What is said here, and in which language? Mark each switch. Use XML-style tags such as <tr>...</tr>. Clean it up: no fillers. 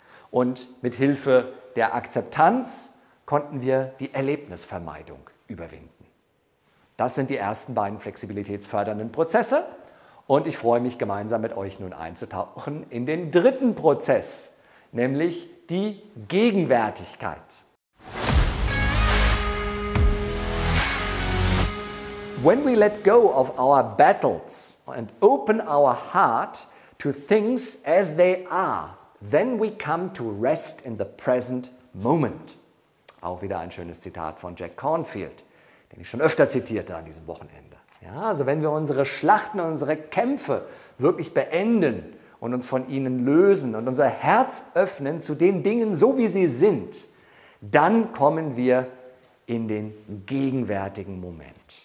<de>Und mit Hilfe der Akzeptanz konnten wir die Erlebnisvermeidung überwinden. Das sind die ersten beiden flexibilitätsfördernden Prozesse. Und ich freue mich, gemeinsam mit euch nun einzutauchen in den dritten Prozess, nämlich die Gegenwärtigkeit.</de> <en>When we let go of our battles and open our heart to things as they are, then we come to rest in the present moment.</en> <de>Auch wieder ein schönes Zitat von Jack Kornfield, den ich schon öfter zitierte an diesem Wochenende. Ja, also wenn wir unsere Schlachten und unsere Kämpfe wirklich beenden und uns von ihnen lösen und unser Herz öffnen zu den Dingen, so wie sie sind, dann kommen wir in den gegenwärtigen Moment.</de>